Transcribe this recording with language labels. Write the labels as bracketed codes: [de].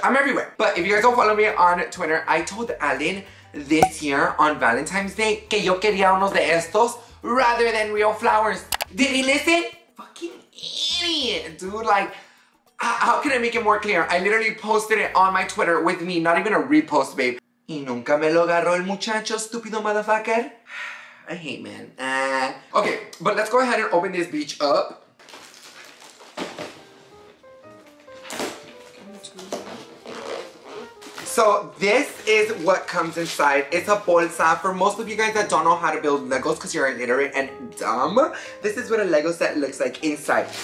[en] I'm everywhere. But if you guys don't follow me on Twitter, I told Alan this year on Valentine's Day [es] que yo quería unos de estos [en] rather than real flowers. Did he listen? Fucking idiot, dude. Like, how can I make it more clear? I literally posted it on my Twitter with me, not even a repost, babe. [es] Y nunca me lo agarró el muchacho, estúpido [en] motherfucker. I hate men. Okay, but let's go ahead and open this bitch up. So this is what comes inside. It's a bolsa. For most of you guys that don't know how to build Legos because you're illiterate and dumb, this is what a Lego set looks like inside.